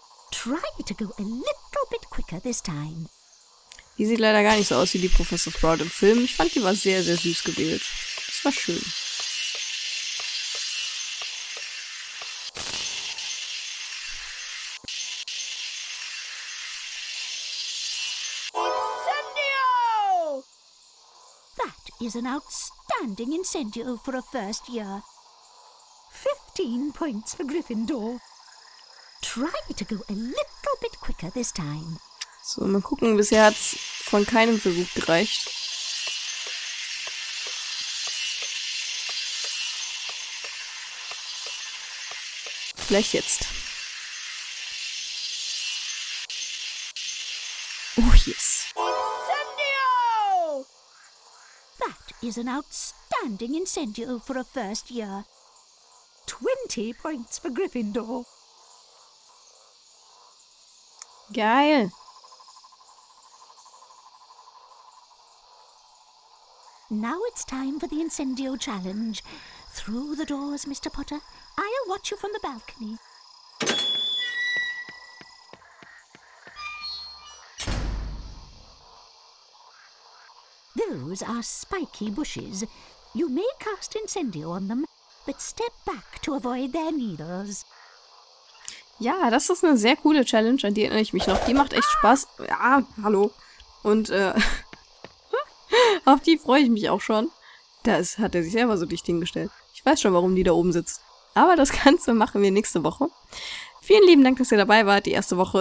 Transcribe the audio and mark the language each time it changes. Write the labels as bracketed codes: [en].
[en] Try to go a little bit quicker this time. [de] Die sieht leider gar nicht so aus wie die Professor Sprout im Film. Ich fand, die war sehr, sehr süß gewählt. Das war schön. [en] Incendio! That is an outstanding incendio for a first year. 15 points for Gryffindor. Try to go a little bit quicker this time. [de] So, mal gucken, bisher hat's von keinem Versuch gereicht. Vielleicht jetzt. [en] Oh, yes. Incendio! That is an outstanding incendio for a first year. 20 points for Gryffindor. [de] Geil. [en] Now it's time for the incendio challenge. Through the doors, Mr. Potter. I'll watch you from the balcony. Those are spiky bushes. You may cast incendio on them, but step back to avoid their needles. [de] Ja, das ist eine sehr coole Challenge, an die erinnere ich mich noch. Die macht echt Spaß. Ja, hallo. Und auf die freue ich mich auch schon. Das hat er sich selber so dicht hingestellt. Ich weiß schon, warum die da oben sitzt. Aber das Ganze machen wir nächste Woche. Vielen lieben Dank, dass ihr dabei wart, die erste Woche.